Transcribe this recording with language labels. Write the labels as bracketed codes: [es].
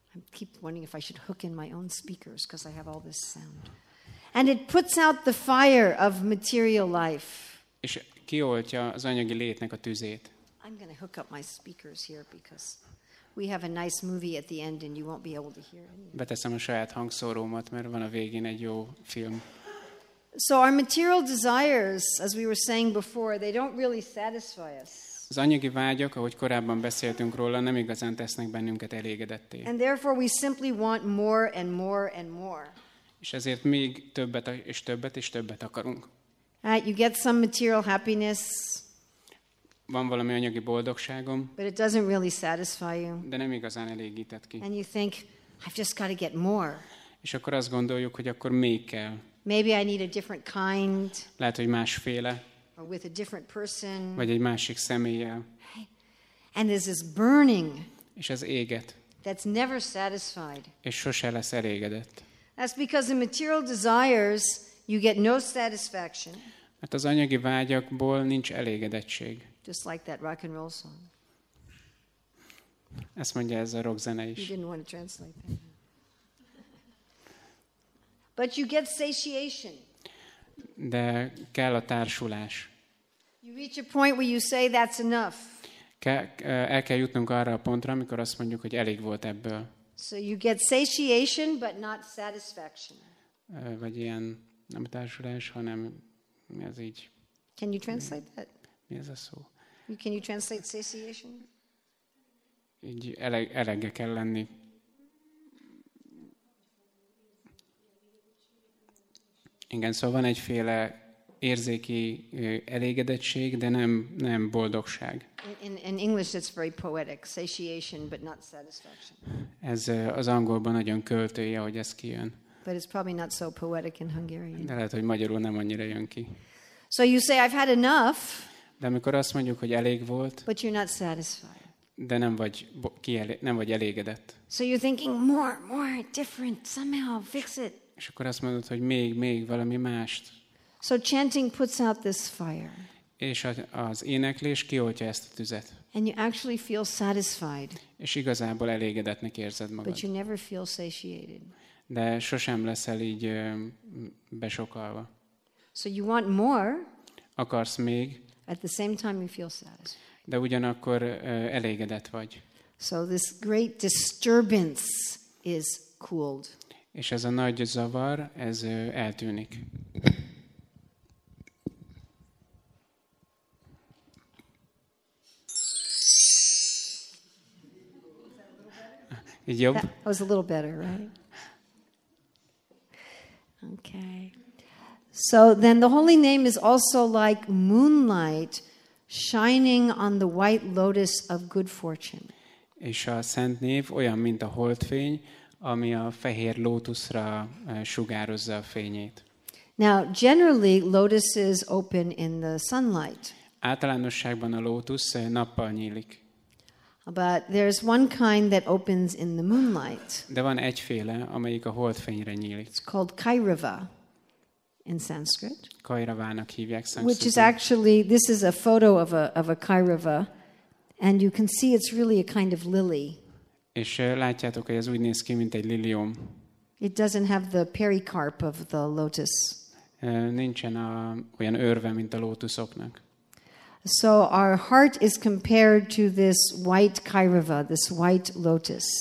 [en] keep wondering if I should hook in my own speakers because I have all this sound. And it puts out the fire of material life. [hu] És kioltja az anyagi létnek a tüzét. [en] I'm going to hook up my speakers here because we have a nice movie at the end and you won't be able to hear it. [hu] Beteszem a saját hangszórómat, mert van a végén egy jó film. [en] So our material desires, as we were saying before, they don't really satisfy us. [hu] Az anyagi vágyak, ahogy korábban beszéltünk róla, nem igazán tesznek bennünket elégedetté. [en] And therefore we simply want more and more and more. [hu] És ezért még többet és többet és többet akarunk. [en] You get some material happiness. [hu] Van valami anyagi boldogságom. [en] But it doesn't really satisfy you. [hu] De nem igazán elégített ki. [en] And you think, I've just got to get more. [hu] És akkor azt gondoljuk, hogy akkor még kell. [en] Maybe I need a different kind. [hu] Lehet, hogy másféle. [en] Or with a different person. [hu] Vagy egy másik személlyel. [en] And there's this burning. [hu] És ez éget. [en] That's never satisfied. [hu] És sose lesz elégedett. [en] That's because in material desires you get no satisfaction. [hu] Mert az anyagi vágyakból nincs elégedettség. [en] Just like that rock and roll song. [hu] Ezt mondja ez a rock zene is. [en] You didn't want to translate that. But you get satiation. [hu] De kell a társulás. [en] You reach a point where you say that's enough. [hu] El kell jutnunk arra a pontra, amikor azt mondjuk, hogy elég volt ebből. [en] So you get satiation, but not satisfaction. [hu] Vagy ilyen, nem társulás, hanem mi az így. [en] Can you translate that? [hu] Mi ez a szó? [en] Can you translate satiation? [hu] Így elege kell lenni. Igen, szóval van egyféle érzéki elégedettség, de nem boldogság. [en] In English it's very poetic, satiation but not satisfaction. [hu] Ez az angolban nagyon költői, ahogy ez kijön. [en] But it's probably not so poetic in Hungarian. [hu] De lehet, hogy magyarul nem annyira jön ki. [en] So you say I've had enough. [hu] De amikor azt mondjuk, hogy elég volt. [en] But you're not satisfied. [hu] De nem vagy elégedett. [en] So you're thinking more, more, different, somehow fix it. [hu] És akkor azt mondod, hogy még valami mást. [en] So chanting puts out this fire. [hu] És az éneklés kioltja ezt a tüzet. [en] And you actually feel satisfied. [hu] És igazából elégedettnek érzed magad. [en] But you never feel satiated. [hu] De sosem leszel így besokalva. [en] So you want more. [hu] Akarsz még. [en] At the same time you feel satisfied. [hu] De ugyanakkor elégedett vagy. [en] So this great disturbance is cooled. [hu] És ez a nagy zavar, ez eltűnik. Jobb? [en] That was a little better, right? Okay. So then the holy name is also like moonlight shining on the white lotus of good fortune. [hu] És a szent név olyan, mint a holdfény, ami a fehér lótuszra sugározza a fényét. [en] Now, generally, lotuses open in the sunlight. [hu] Általánosságban a lótusz nappal nyílik. [en] But there's one kind that opens in the moonlight. [hu] De van egyféle, amelyik a holdfényre nyílik. [en] It's called Kairava in Sanskrit. [hu] Kairavának hívják Sanskritben. [en] Which is actually, this is a photo of a Kairava, and you can see it's really a kind of lily. [hu] És látjátok, hogy ez úgy néz ki, mint egy lilium. [en] It doesn't have the pericarp of the lotus. [hu] Nincsen olyan örve, mint a lótuszoknak. [en] So our heart is compared to this white kairava, this white lotus.